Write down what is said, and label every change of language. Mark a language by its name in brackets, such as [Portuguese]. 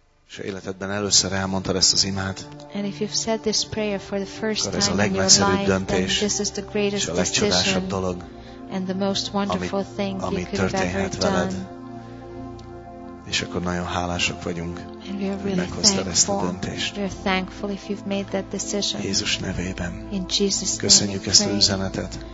[Hungarian] És életedben először elmondtad ezt az imád, [English] and if you've said this prayer for the first time, [Hungarian] ez a legnagyszerűbb döntés, [English] then this is the greatest decision, and the most wonderful thing you could have ever [Hungarian] veled. És akkor nagyon hálásak vagyunk, [English] and we are really thankful. We are thankful if you've made that decision. [Hungarian] Jézus nevében. [English] In Jesus' name. [Hungarian] Köszönjük ezt az üzenetet.